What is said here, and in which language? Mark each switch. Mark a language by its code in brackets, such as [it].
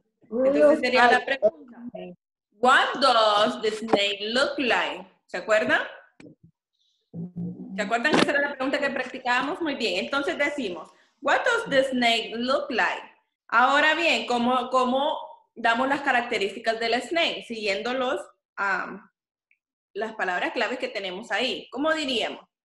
[es] Entonces sería la pregunta. [en] What does the snake look like? [es] ¿Se acuerdan? ¿Se acuerdan que esa era la pregunta que practicábamos? Muy bien. [en] Entonces decimos, what does the snake look like? [es] Ahora bien, ¿cómo damos las características de la snake? Siguiendo los las palabras claves que tenemos ahí. ¿Cómo diríamos?